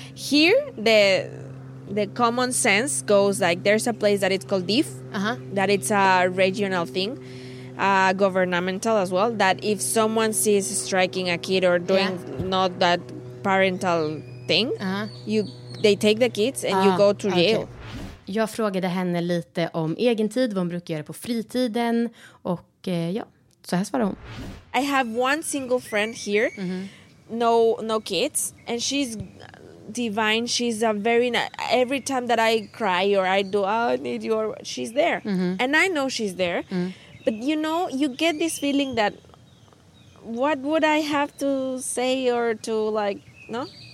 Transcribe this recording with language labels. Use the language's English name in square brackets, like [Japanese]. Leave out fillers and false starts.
[English] Here, the common sense goes like there's a place that it's called DIF. Uh-huh. That it's a regional thing. Governmental as well. That if someone sees striking a kid or doing not that parental... thing, uh-huh. They take the kids and you go to jail. Okay. [Swedish] Jag frågade henne lite om egen tid, vad hon brukar göra på fritiden och så här svarade hon. [English] I have one single friend here, no kids, and she's divine. She's a very every time that I cry or I do, I need you, she's there, and I know she's there. Mm-hmm. But you know, you get this feeling that what would I have to say or to like, no.